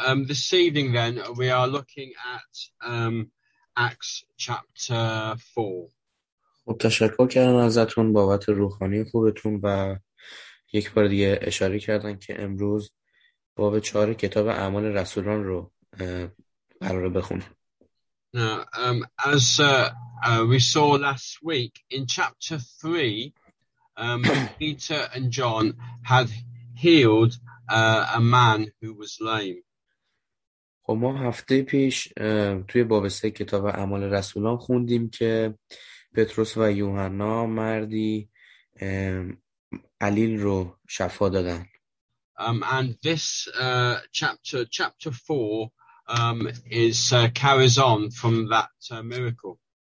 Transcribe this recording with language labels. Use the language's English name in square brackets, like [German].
[English] This evening then we are looking at Acts chapter 4. [Persian] تشکر کردم ازتون بابت روحانی خوبتون و یک بار دیگه اشاره کردن که امروز باب 4 کتاب اعمال رسولان رو قرار بخونیم. [English] Now, as we saw last week in chapter 3, Peter and John had healed a man who was lame. [Persian] خب ما هفته پیش توی باب 3 کتاب اعمال رسولان خوندیم که پتروس و یوحنا مردی علیل رو شفا دادن. [English] And this chapter 4 is carries on from that miracle.